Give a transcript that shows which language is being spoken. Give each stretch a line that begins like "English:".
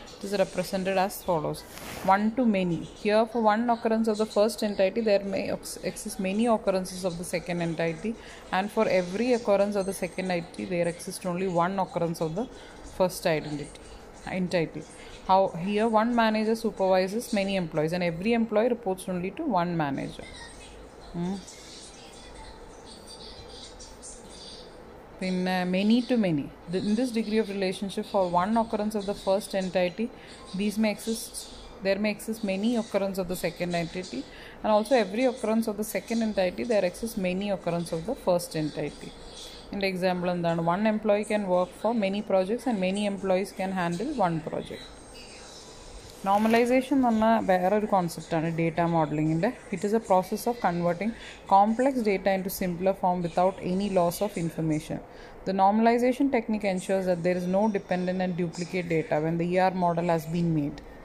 English: It is represented as follows. One to many here for one occurrence of the first entity there may exist many occurrences of the second entity and for every occurrence of the second ID there exist only one occurrence of the first identity entity. How here one manager supervises many employees and every employee reports only to one manager. In many to many, in this degree of relationship, for one occurrence of the first entity, there may exist many occurrence of the second entity, and also every occurrence of the second entity, there exists many occurrence of the first entity. In the example, and then one employee can work for many projects, and many employees can handle one project.
Malayalam: Normalisation എന്ന് പറഞ്ഞാൽ വേറെ ഒരു കോൺസെപ്റ്റാണ് data മോഡലിങ്ങിൻ്റെ.
English: It is a process of converting complex data into simpler form without any loss of information. The normalization technique ensures that there is no dependent and duplicate data when the E R model has been made.